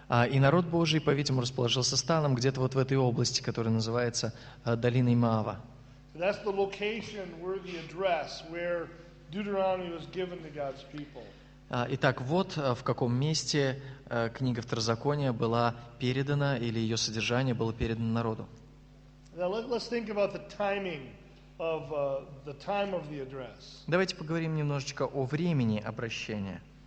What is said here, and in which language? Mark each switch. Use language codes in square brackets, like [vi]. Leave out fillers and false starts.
[ru] И народ Божий, по-видимому, расположился станом где-то вот в этой области, которая называется долиной Моава. [en] That's the location where the address where Deuteronomy was given to God's people. [ru] Итак, вот в каком месте книга Второзакония была передана, или ее содержание было передано народу. Давайте поговорим немножечко о времени обращения.